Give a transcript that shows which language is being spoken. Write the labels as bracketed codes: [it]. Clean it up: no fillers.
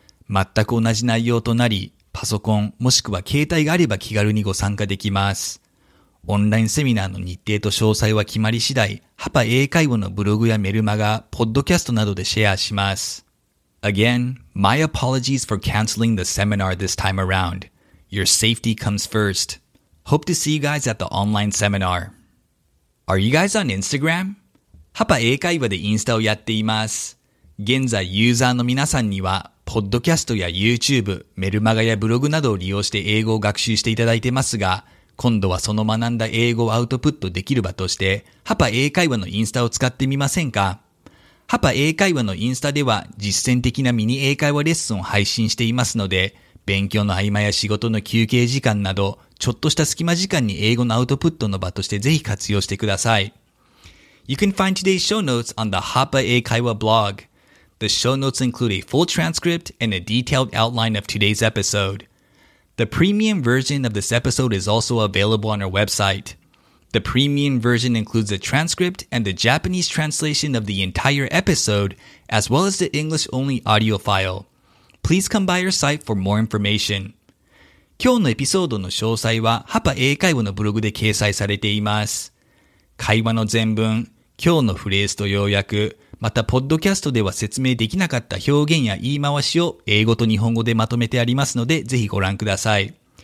[ja] 全く同じ内容となり、パソコンもしくは携帯があれば気軽にご参加できます。オンラインセミナーの日程と詳細は決まり次第、ハパ英会話のブログやメルマガ、ポッドキャストなどでシェアします。 [en] Again, my apologies for canceling the seminar this time around. Your safety comes first. Hope to see you guys at the online seminar. Are you guys on Instagram? [ja] ハパ英会話でインスタをやっています。現在ユーザーの皆さんには、ポッドキャストや YouTube、メルマガやブログなどを利用して英語を学習していただいてますが、今度はその学んだ英語をアウトプットできる場として、ハパ英会話のインスタを使ってみませんか？ハパ英会話のインスタでは実践的なミニ英会話レッスンを配信していますので、勉強の合間や仕事の休憩時間など、ちょっとした隙間時間に英語のアウトプットの場としてぜひ活用してください。 [en] You can find today's show notes on the Hapa 英会話 blog. The show notes include a full transcript and a detailed outline of today's episode. The premium version of this episode is also available on our website. The premium version includes a transcript and the Japanese translation of the entire episode, as well as the English-only audio file. Please come by our site for more information. [ja] 今日のエピソードの詳細はハパ英会話のブログで掲載されています。会話の全文、今日のフレーズと要約、またポッドキャストでは説明できなかった表現や言い回しを英語と日本語でまとめてありますのでぜひご覧ください。